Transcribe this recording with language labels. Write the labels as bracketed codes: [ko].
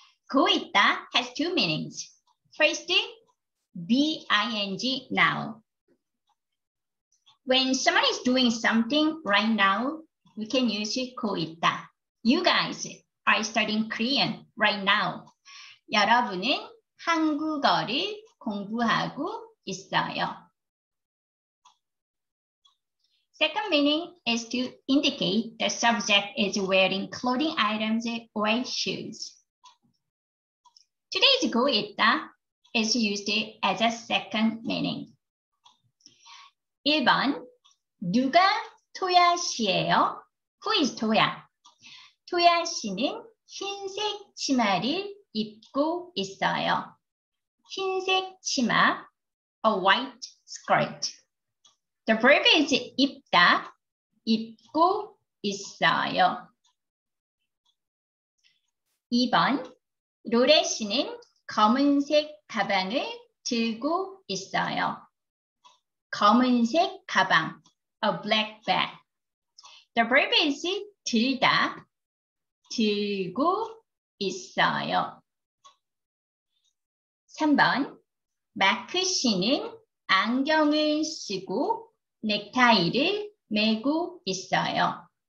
[en] 고 있다 has two meanings. First, B-I-N-G now. When someone is doing something right now, we can use 고 있다. You guys are studying Korean right now. [ko] 여러분은 한국어를 공부하고 있어요. [en] Second meaning is to indicate the subject is wearing clothing items or shoes. Today's 고 있다 is used as a second meaning. [ko] 1번 누가 토야 씨예요? [en] Who is 토야? [ko] 토야 씨는 흰색 치마를 입고 있어요. 흰색 치마, [en] a white skirt. The verb is [ko] 입다, 입고 있어요. 2번, 로레 씨는 검은색 가방을 들고 있어요. 검은색 가방, [en] a black bag. The verb is [ko] 들다, 들고 있어요. 3번, 마크 씨는 안경을 쓰고 넥타이를 매고 있어요.